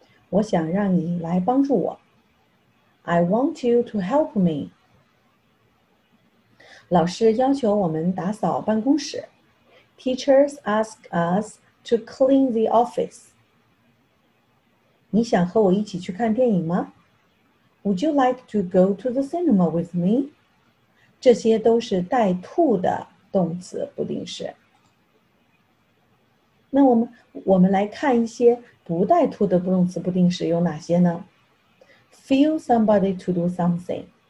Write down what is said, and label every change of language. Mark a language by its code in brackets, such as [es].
[zh] 我想让你来帮助我。 [en] I want you to help me. [zh] 老师要求我们打扫办公室。 [en] Teachers ask us to clean the office. [zh] 你想和我一起去看电影吗？ [en] Would you like to go to the cinema with me? [zh] 这些都是带 to 的动词不定式。那我们来看一些不带 to 的动词不定式有哪些呢？ [en] Feel somebody to do something.